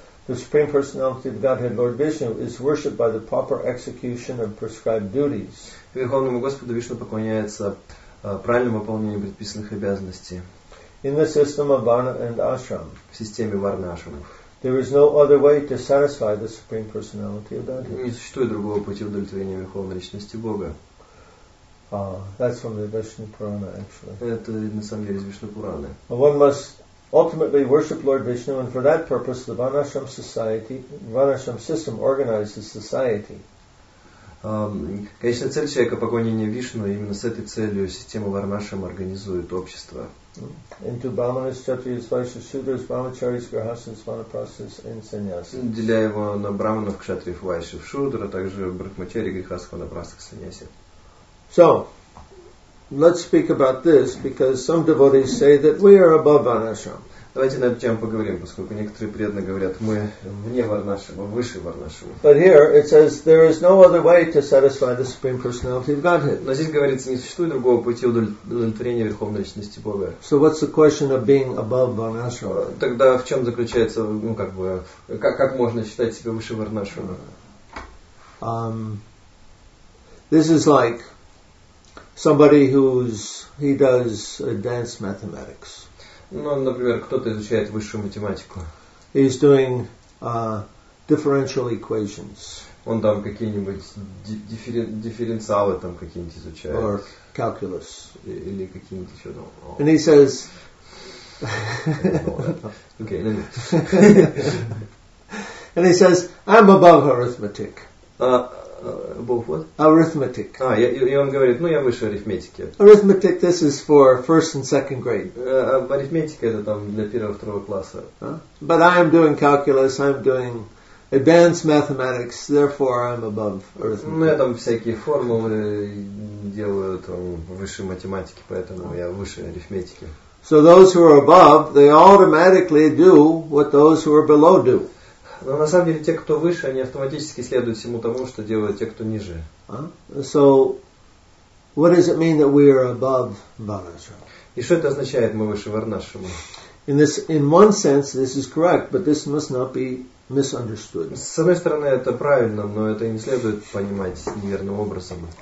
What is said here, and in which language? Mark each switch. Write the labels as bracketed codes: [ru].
[en] The Supreme Personality of Godhead, Lord Vishnu, is worshipped by the proper execution of prescribed duties. [ru] Верховному Господу Вишну поклоняется правильным выполнением предписанных обязанностей. [en] In the system of Varna and Ashram. [ru] В системе Варна Ашрамов. [en] There is no other way to satisfy the Supreme Personality of Godhead. [ru] Не существует другого пути удовлетворения Верховной Личности Бога. [en] That's from the Vishnu Purana, actually. [ru] Это на самом деле из Вишну Пураны. [en] One must ultimately worship Lord Vishnu, and for that purpose, the Vanashram society, Vanashram system organizes society. [ru] Конечно, цель человека поклонение Вишну, именно с этой целью система Варнашрам организует общество. [en] Into brahmanas, kshatriyas, vaishyas, shudras, brahmacharis, grihasthas, vanaprasthas, and sannyasis. [ru] Деля его на брахманов, кшатриев, вайшев, шудр, а также брахмачари, грихасх, ванапрастх, саньяси. [en] So, let's speak about this, because some devotees say that we are above Varnashram. [ru] Давайте на эту тему поговорим, поскольку некоторые преданные говорят, мы вне Варнашрама, выше Варнашрама. [en] But here it says there is no other way to satisfy the Supreme Personality of Godhead. [ru] Но здесь говорится, не существует другого пути удовлетворения Верховной Личности Бога. [en] So what's the question of being above Varnashrama? [ru] Тогда в чем заключается, как можно считать себя выше Варнашрама? [en] This is like somebody who does advanced mathematics. [ru] Ну, например, кто-то изучает высшую математику. [en] He's doing differential equations. [ru] Он там какие-нибудь дифференциалы там какие-нибудь изучает. [en] Or calculus. [ru] Или какие-нибудь еще там. [en] And he says... Okay, let me... And he says, I'm above arithmetic. Above what? Arithmetic. [ru] И он говорит, ну я выше арифметики. [en] Arithmetic, this is for first and second grade. [ru] Арифметика это там для первого, второго класса. [en] But I am doing calculus, I'm doing advanced mathematics, therefore I'm above arithmetic. [ru] Ну я там всякие формулы делаю там выше математики, поэтому я выше арифметики. [en] So those who are above, they automatically do what those who are below do. [ru] Но на самом деле те, кто выше, они автоматически следуют всему тому, что делают те, кто ниже. [en] So, what does it mean that we are above Varnashram? [ru] И что это означает, мы выше Варнашрама? [en] In one sense, this is correct, but this must not be misunderstood. [ru] С одной стороны, это правильно, но это не следует понимать неверным образом.